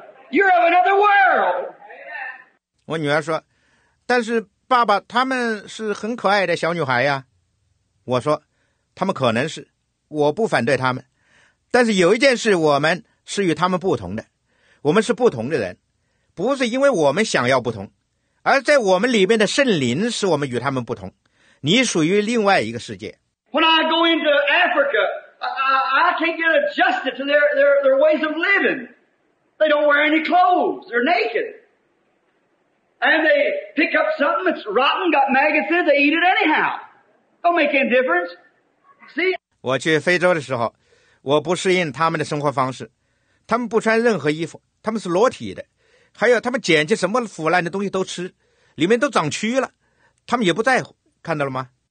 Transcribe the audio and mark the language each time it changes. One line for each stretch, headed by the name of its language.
English: You're of another world.
Chinese: 我女儿说，但是爸爸，他们是很可爱的小女孩呀。我说，他们可能是，我不反对他们，但是有一件事，我们是与他们不同的，我们是不同的人，不是因为我们想要不同，而在我们里面的圣灵使我们与他们不同。你属于另外一个世界。
English: When I go into Africa, I can't get adjusted to their ways of living. They don't wear any clothes. They're naked. And they pick up something that's rotten, got maggots in it, they eat it anyhow. Don't make any difference. See?
Chinese: 我去非洲的时候，我不适应他们的生活方式。他们不穿任何衣服，他们是裸体的。还有他们捡起什么腐烂的东西都吃，里面都长蛆了。他们也不在乎，看到了吗？